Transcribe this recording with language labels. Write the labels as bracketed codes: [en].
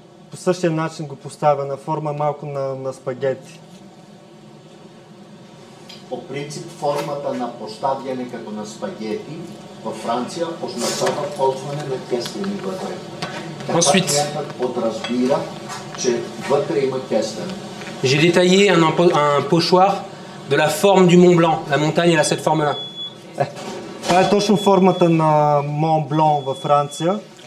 [bg] По същия начин го поставя на форма малко на спагети. По принцип формата на поставяне като на спагети в Франция означава ползване на кестени вътре. [fr] Ensuite, [bg] подразбира, че вътре има кестен. [fr] J'ai détaillé un pochoir de la forme du Mont Blanc. La montagne a cette forme-là. [bg] Това е точно формата на Mont Blanc във Франция.